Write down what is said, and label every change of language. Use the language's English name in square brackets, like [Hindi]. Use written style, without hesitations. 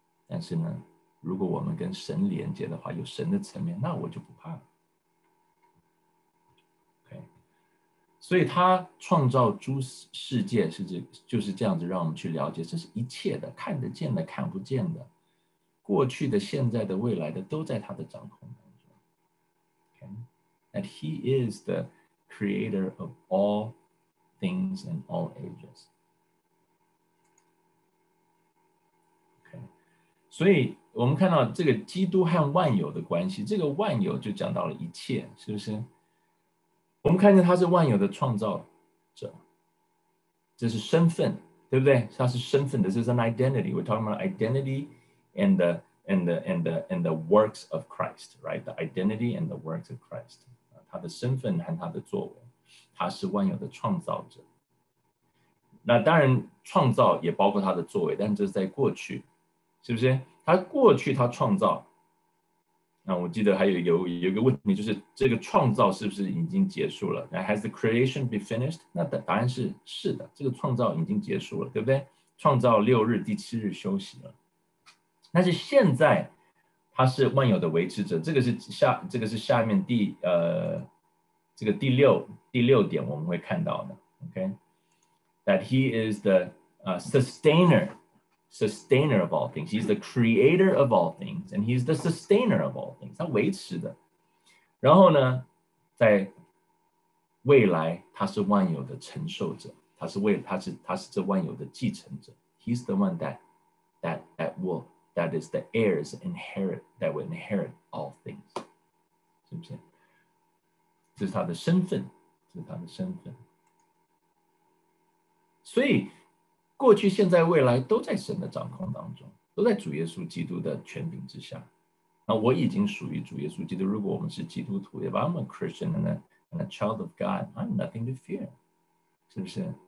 [Chinese] 但是呢，如果我们跟神连接的话，有神的层面，那我就不怕了。所以他创造诸世界是就是这样子让我们去了解，这是一切的看得见的看不见的，过去的现在的未来的都在他的掌控当中。 [English] That he is the creator of all things and all ages、okay. [Chinese] 所以我们看到这个基督和万有的关系，这个万有就讲到了一切，是不是？我们看见他是万有的创造者，这是身份，对不对？他是身份， [English] This is an identity. We're talking about identity and the works of Christ, right? The identity and the works of Christ. [Chinese] 他的身份和他的作为，他是万有的创造者。那当然，创造也包括他的作为，但这是在过去，是不是？他过去他创造。那我记得还有个问题，就是这个创造是不是已经结束了？ [English] Has the creation been finished? [Chinese] 那答案是，是的，这个创造已经结束了，对不对？创造六日，第七日休息了。但是现在他是万有的维持者，这个是下面第六点我们会看到的。 [English] OK, That he is the sustainer of all things. He's the creator of all things, and he's the sustainer of all things. [Chinese] 他维持的。然后呢，在未来，他是万有的承受者，他是这万有的继承者。 [English] He's the one that is the heirs inherit, that will inherit all things. [Chinese] 是不是？这是他的身份，这是他的身份。所以过去现在未来都在神的掌控当中，都在主耶稣基督的权柄之下。那我已经属于主耶稣基督，如果我们是基督徒， [English] If I'm a Christian and a child of God, I'm nothing to fear. [Chinese] 是不是？